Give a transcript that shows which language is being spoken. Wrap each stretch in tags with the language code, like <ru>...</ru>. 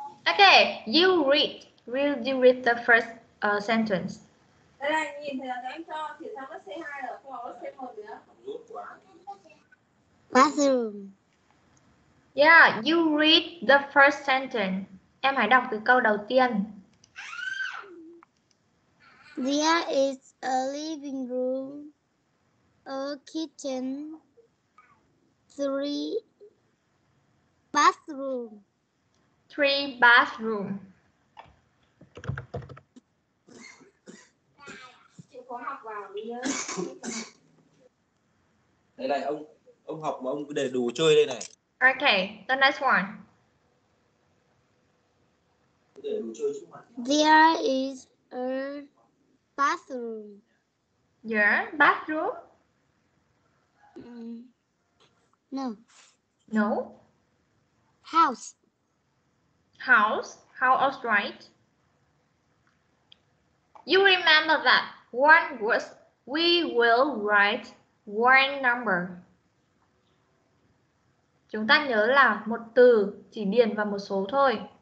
<en>Okay, you read. Will you read the first sentence? Bathroom. Yeah, you read the first sentence.</en> <vi>Em hãy đọc từ câu đầu tiên.</vi> <en>There is a living room, a kitchen, three bathrooms. Three bathroom.</en> <vi>Đây này, ông học mà ông cứ để đồ chơi đây này.</vi> <en>Okay, the next one. There is a bathroom. Yeah, bathroom? No. No? House. House, how else, right? You remember that one was, we will write one number.</en> <vi>Chúng ta nhớ là một từ chỉ điền vào một số thôi.</vi>